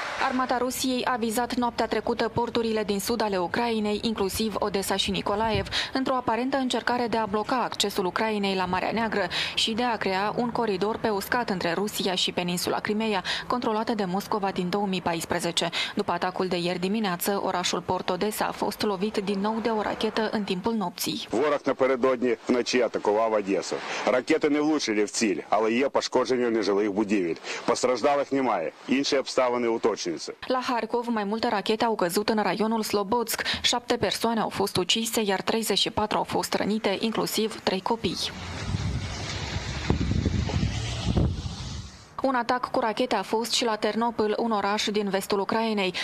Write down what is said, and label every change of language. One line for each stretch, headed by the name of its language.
Romanian: Armata Rusiei a vizat noaptea trecută porturile din sud ale Ucrainei, inclusiv Odessa și Nicolaev, într-o aparentă încercare de a bloca accesul Ucrainei la Marea Neagră și de a crea un coridor pe uscat între Rusia și peninsula Crimeea, controlată de Moscova din 2014. După atacul de ieri dimineață, orașul Port Odessa a fost lovit din nou de o rachetă în timpul nopții.
Ukrainian: Ворог напередодні вночі атакував Одесу. Ракети не влучили в ціль, але є пошкодження нежилих будівель. Постраждалих немає. Інші обставини уточнюють.
Romanian: La Harkov, mai multe rachete au căzut în raionul Slobodsk. 7 persoane au fost ucise, iar 34 au fost rănite, inclusiv 3 copii. Un atac cu rachete a fost și la Ternopil, un oraș din vestul Ucrainei.